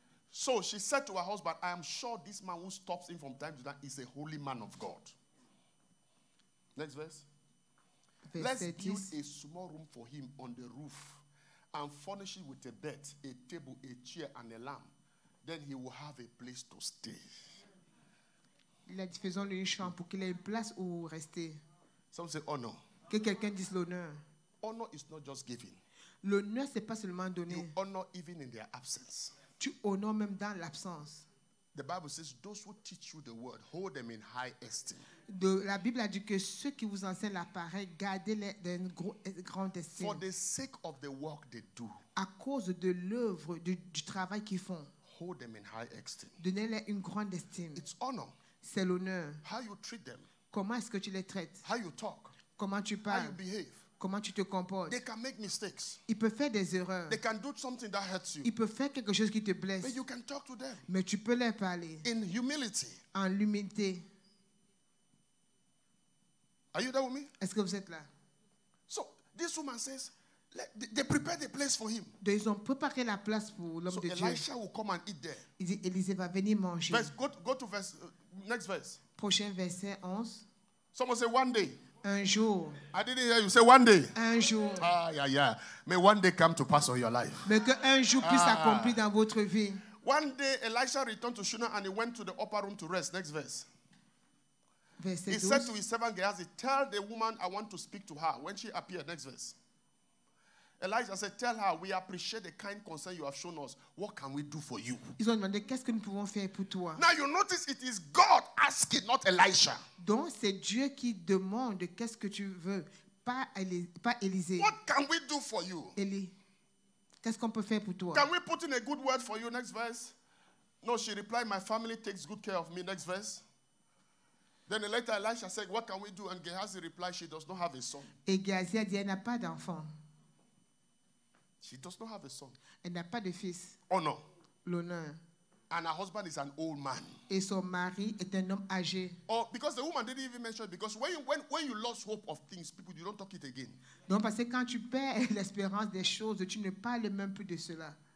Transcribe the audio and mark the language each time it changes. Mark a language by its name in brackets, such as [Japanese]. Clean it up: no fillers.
[English] So she said to her husband, I am sure this man who stops in from time to time is a holy man of God. Next verse. Verse 10. Let's build a small room for him on the roof and furnish it with a bed, a table, a chair, and a lamp. Then he will have a place to stay. [French] La diffusion de l'échange pour qu'il ait une place où rester. [English] Some say honor. [French] Que quelqu'un dise l'honneur. [English] Honor is not just giving. [French] L'honneur c'est pas seulement donner. [English] You honor even in their absence. [French] Tu honores même dans l'absence. [English] The Bible says, those who teach you the word, hold them in high esteem. [French] La Bible a dit que ceux qui vous enseignent la parole, gardez-les dans grande estime. [English] For the sake of the work they do. [French] À cause de l'œuvre, du travail qu'ils font. [English] Hold them in high esteem. [French] Donnez-les une grande estime. [English] It's honor. [French] C'est l'honneur. [English] How you treat them. [French] Comment est-ce que tu les traites? [English] How you talk. [French] Comment tu parles? [English] How you behave. [French] Comment tu te comportes? [English] They can make mistakes. [French] Ils peuvent faire des erreurs. [English] They can do something that hurts you. [French] Ils peuvent faire quelque chose qui te blesse. [English] But you can talk to them. [French] Mais tu peux leur parler. [English] In humility. [French] En humilité. [English] Are you there with me? [French] Est-ce que vous êtes là? [English] So this woman says, they prepare the place for him. [French] Donc ils ont préparé la place pour l'homme [English] so [French] de [English] Elisha [French] Dieu. [English] So Elisha will come and eat there. [French] Il dit, Élisée va venir manger. [English] Verse, go to verse, next verse. [French] Prochain verset 11. [English] Someone say one day. [French] Un jour. [English] I didn't hear you say one day. [French] Un jour. [English] Ah, yeah, yeah. May one day come to pass on your life. [French] Mais que un jour puisse s'accomplir dans votre vie. [English] One day, Elisha returned to Shunem and he went to the upper room to rest. Next verse. Verse 12. He said to his servant Gehazi, tell the woman I want to speak to her when she appeared. Next verse. Elijah said, tell her, we appreciate the kind concern you have shown us. What can we do for you? [French] Ils ont demandé, qu'est-ce que nous pouvons faire pour toi? [English] Now you notice it is God asking, not Elijah. [French] Donc c'est Dieu qui demande, qu'est-ce que tu veux? Pas Élisée. [English] What can we do for you? [French] Élie, qu'est-ce qu'on peut faire pour toi? [English] Can we put in a good word for you? Next verse. No, she replied, my family takes good care of me. Next verse. Then later Elijah said, what can we do? And Gehazi replied, she does not have a son. [French] Et Gehazi a dit, elle n'a pas d'enfant. [English] She does not have a son. [French] Elle n'a pas de fils. [English] Honor. [French] L'honneur. [English] And her husband is an old man. [French] Et son mari est un homme âgé. [English] Oh, because the woman didn't even mention it. Because when you lose hope of things, people, you don't talk it again. [French] Non, parce que quand tu perds l'espérance des choses, tu ne parles même plus de cela.